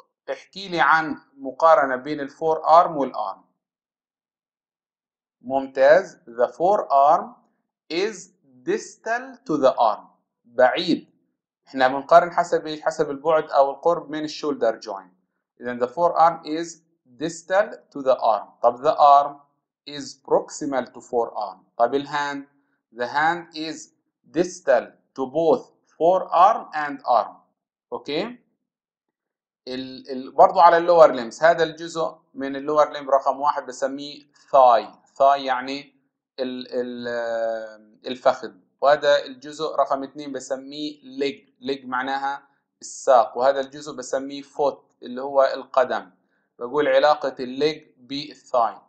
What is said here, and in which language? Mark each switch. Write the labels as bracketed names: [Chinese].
[Arabic] احكي لي عن مقارنة بين الفور أرم والأرم. [English] ممتاز. The forearm is distal to the arm. بعيد. [Arabic] احنا بنقارن حسب ايش؟ حسب البعد او القرب من الشولدر جوينت. [English] اذا the forearm is distal to the arm. طب the arm is proximal to forearm. طب الهاند؟ the hand is distal to both forearm and arm. Okay. [Arabic] برضو على اللور limbs، هذا الجزء من اللور limb رقم واحد بسميه thigh يعني الفخذ. وهذا الجزء رقم اثنين بسميه leg معناها الساق. وهذا الجزء بسميه foot اللي هو القدم. بقول علاقة leg بالthigh.